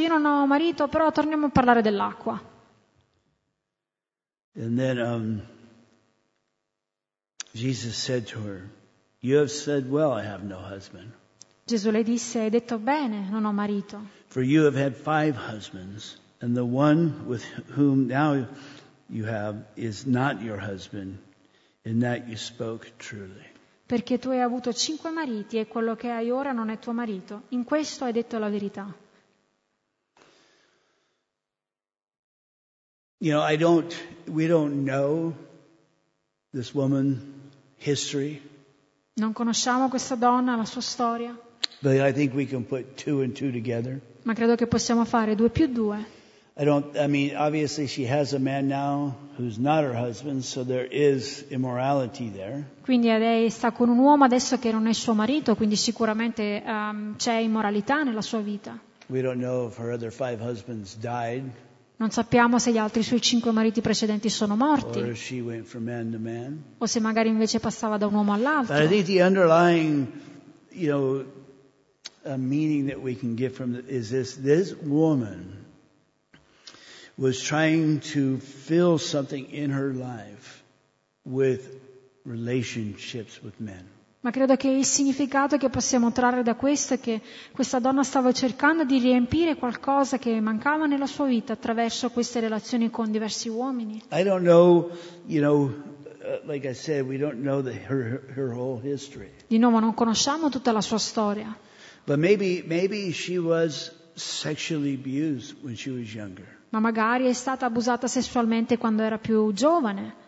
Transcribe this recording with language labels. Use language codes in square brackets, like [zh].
[it] Io non ho marito, però torniamo a parlare dell'acqua. [en] And then Jesus said to her, "You have said well. I have no husband." [it] Gesù le disse, hai detto bene, non ho marito. [en] For you have had five husbands, and the one with whom now you have is not your husband. In that you spoke truly. [it] Perché tu hai avuto cinque mariti e quello che hai ora non è tuo marito. In questo hai detto la verità. [en] You know, we don't know this woman's history. [it] Non conosciamo questa donna, la sua storia. [en] But I think we can put two and two together. [it] Ma credo che possiamo fare due più due. [en] I mean, obviously she has a man now who's not her husband, so there is immorality there. [it] Quindi lei sta con un uomo adesso che non è suo marito, quindi sicuramente c'è immoralità nella sua vita. [en] We don't know if her other five husbands died. [it] Non sappiamo se gli altri suoi cinque mariti precedenti sono morti. [en] Or if she went from man to man. [it] O se magari invece passava da un uomo all'altro. [en] But I think the underlying, you know, a meaning that we can get from is this woman was trying to fill something in her life with relationships with men. [it] Ma credo che il significato che possiamo trarre da questo è che questa donna stava cercando di riempire qualcosa che mancava nella sua vita attraverso queste relazioni con diversi uomini. [en] I don't know, you know, like I said, we don't know her whole history. [it] Di nuovo, non conosciamo tutta la sua storia. [en] But maybe she was sexually abused when she was younger. [it] Ma magari è stata abusata sessualmente quando era più giovane.